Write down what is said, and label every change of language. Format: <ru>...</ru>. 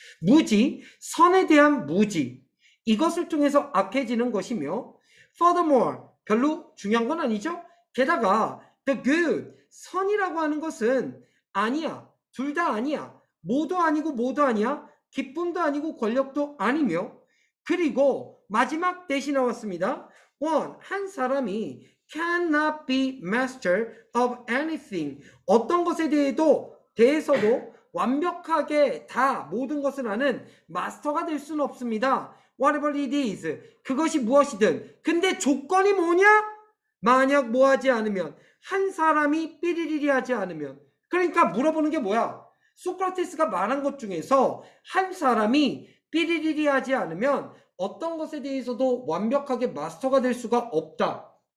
<ko>무지, 선에 대한 무지. 이것을 통해서 악해지는 것이며,</ko> <en>Furthermore,</en> <ko>별로 중요한 건 아니죠? 게다가,</ko> <en>the good,</en> <ko>선이라고 하는 것은 아니야. 둘다 아니야. 모두 아니고 모두 아니야. 기쁨도 아니고 권력도 아니며. 그리고 마지막 대시 나왔습니다.</ko> <en>One,</en> <ko>한 사람이</ko> <en>cannot be master of anything.</en> <ko>어떤 것에 대해서도 완벽하게 다 모든 것을 아는 마스터가 될 수는 없습니다.</ko> <en>Whatever it is,</en> <ko>그것이 무엇이든. 근데 조건이 뭐냐? 만약 뭐 하지 않으면, 한 사람이 삐리리리 하지 않으면. 그러니까 물어보는 게 뭐야? 소크라테스가 말한 것 중에서 한 사람이 삐리리리 하지 않으면 어떤 것에 대해서도 완벽하게 마스터가 될 수가 없다.</ko>